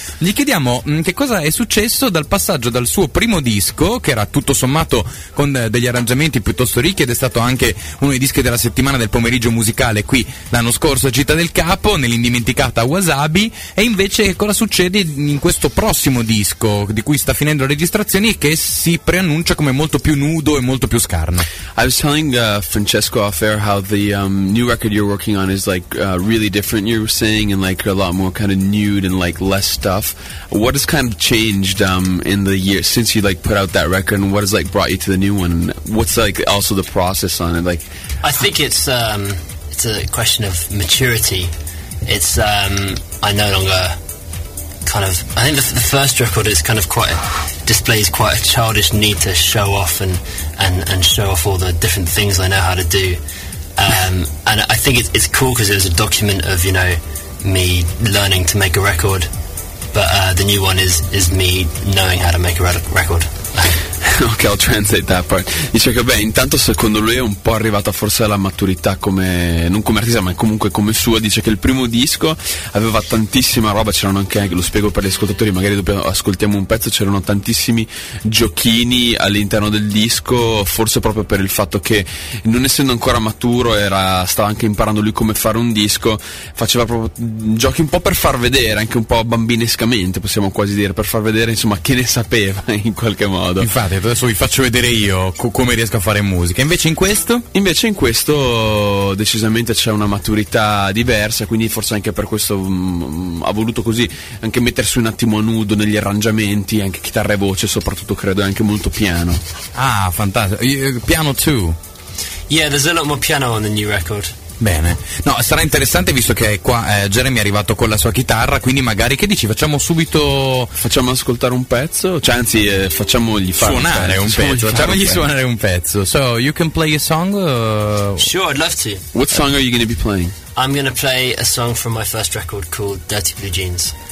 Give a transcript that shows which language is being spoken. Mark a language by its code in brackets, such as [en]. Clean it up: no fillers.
[it] Gli chiediamo che cosa è successo dal passaggio dal suo primo disco, che era tutto sommato con degli arrangiamenti piuttosto ricchi ed è stato anche uno dei dischi della settimana del pomeriggio musicale qui l'anno scorso a Città del Capo, nell'indimenticata Wasabi, e invece cosa succede in questo prossimo disco, di cui sta finendo le registrazioni, che si preannuncia come molto più nudo e molto più scarno. [en] I was telling Francesco off air how the new record you're working on is like really different, you were saying, and like a lot more kind of nude and like less stuff. What has kind of changed in the year since you like put out that record, and what has like brought you to the new one? What's like also the process on it? Like, I think it's a question of maturity. It's I no longer kind of, I think the first record is kind of quite, displays quite a childish need to show off and show off all the different things I know how to do, and I think it's cool because it was a document of, you know, me learning to make a record, but the new one is me knowing how to make a record. Ok, I'll translate that part. [it] Dice che beh, intanto secondo lui è un po' arrivata forse alla maturità come, non come artista ma comunque come sua. Dice che il primo disco aveva tantissima roba, c'erano anche, lo spiego per gli ascoltatori, magari dopo ascoltiamo un pezzo, c'erano tantissimi giochini all'interno del disco, forse proprio per il fatto che non essendo ancora maturo stava anche imparando lui come fare un disco, faceva proprio giochi un po' per far vedere, anche un po' bambinescamente possiamo quasi dire, per far vedere insomma che ne sapeva in qualche modo. Infatti adesso vi faccio vedere io come riesco a fare musica. Invece in questo? Invece in questo decisamente c'è una maturità diversa, quindi forse anche per questo ha voluto così anche mettersi un attimo a nudo negli arrangiamenti, anche chitarra e voce, soprattutto credo anche molto piano. Ah, fantastico. [en] Piano too? Yeah, there's a lot more piano on the new record. [it] Bene, no, sarà interessante visto che qua Jeremy è arrivato con la sua chitarra, quindi magari che dici, facciamo ascoltare un pezzo, cioè anzi facciamogli suonare un pezzo, suonare un pezzo. [en] So you can play a song? Sure, I'd love to. What song are you going to be playing? I'm going to play a song from my first record called Dirty Blue Jeans.